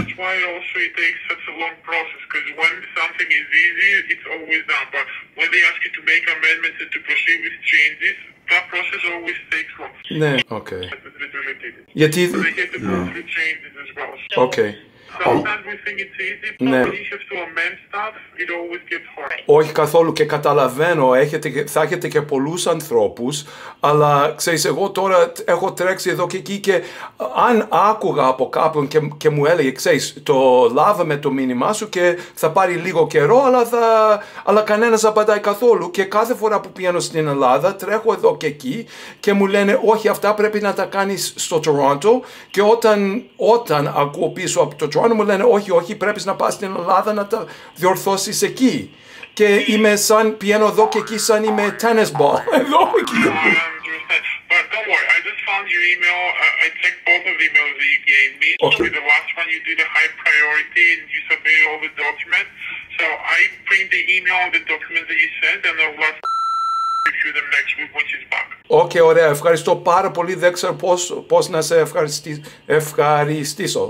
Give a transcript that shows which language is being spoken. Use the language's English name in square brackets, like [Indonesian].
[English] That's why also it takes such a long process, because when something is easy, it's always done. But when they ask you to make amendments and to proceed with changes, that process always takes long. [Greek] Ναι. Okay. Γιατί... [English] They have to go through changes as well. So okay. Sometimes we think it's easy, but when you have to amend stuff, it always gets hard. [Greek] Όχι καθόλου και καταλαβαίνω, θα έχετε και πολλούς ανθρώπους, αλλά ξέρεις, εγώ τώρα έχω τρέξει εδώ και εκεί και αν άκουγα από κάποιον και μου έλεγε, ξέρεις, το λάβαμε το μήνυμά σου και θα πάρει λίγο καιρό, αλλά κανένας απαντάει καθόλου. Και κάθε φορά που πηγαίνω στην Ελλάδα, τρέχω εδώ και εκεί και μου λένε, όχι, αυτά πρέπει να τα κάνεις στο Toronto. Και όταν ακούω πίσω από το Toronto, μου λένε, όχι, όχι, πρέπει να πας στην Ελλάδα να τα διορθώσεις εκεί. Και είμαι σαν, πιένω εδώ και εκεί σαν είμαι tennis ball. Εδώ εκεί. [English] But don't worry, I just found your email. I checked both of the emails that you gave me. Okay. So the last one you did a high priority and you submitted all the documents. So I print the email and the documents that you sent and I'll let review them next week when she's back. [Greek] Okay, ωραία. Ευχαριστώ πάρα πολύ. Δεν ξέρω πώς να σε ευχαριστήσω.